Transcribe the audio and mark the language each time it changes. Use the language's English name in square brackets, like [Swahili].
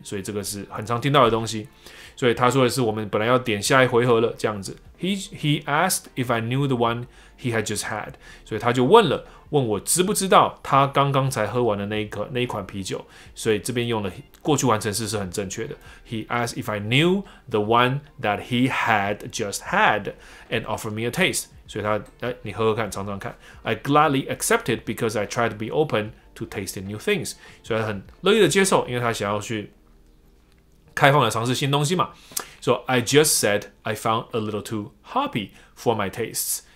[Chinese] 所以这个是很常听到的东西。所以他说的是我们本来要点下一回合了这样子。 [English] He asked if I knew the one he had just had. [Chinese] 所以他就问了，问我知不知道他刚刚才喝完的那一款啤酒。所以这边用的过去完成式是很正确的。 [English] He asked if I knew the one that he had just had and offered me a taste. [Chinese] 所以他，你喝喝看，尝尝看。 [English] I gladly accepted because I tried to be open to tasting new things. [Chinese] 所以他很乐意的接受，因为他想要去开放的尝试新东西嘛。 [English] So I just said I found a little too hoppy for my tastes.